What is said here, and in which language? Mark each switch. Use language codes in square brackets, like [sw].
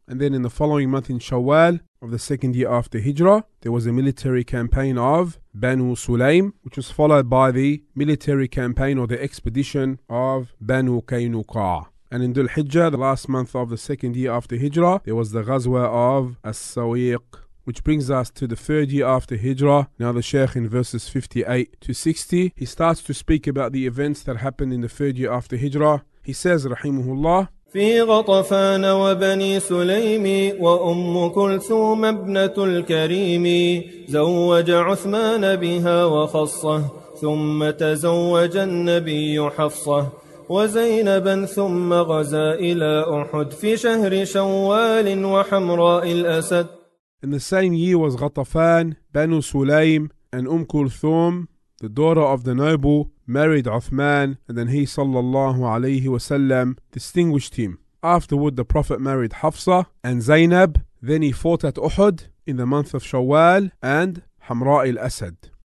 [en] And then in the following month in Shawwal of the second year after Hijrah, there was a military campaign of Banu Sulaym, which was followed by the military campaign or the expedition of Banu Kaynuqa'. And in Dhul Hijjah, the last month of the second year after Hijrah, there was the Ghazwa of As-Sawiq, which brings us to the third year after Hijrah. Now the Sheikh in verses 58 to 60, he starts to speak about the events that happened in the third year after Hijrah. He says, Rahimahullah, [ar] في غطفان وبني سليم وأم كلثوم ابنة الكريم زوج عثمان بها وخصه ثم تزوج النبي حفصه وزينبا ثم غزا إلى أحد في شهر شوال وحمراء الأسد. [en] In the same year was غطفان, بنو سليم, and أم كلثوم, the daughter of the noble, married Uthman, and then he sallallahu alayhi wasallam distinguished him. Afterward, the Prophet married Hafsa and Zainab. Then he fought at Uhud in the month of Shawwal and Hamra' al-Asad.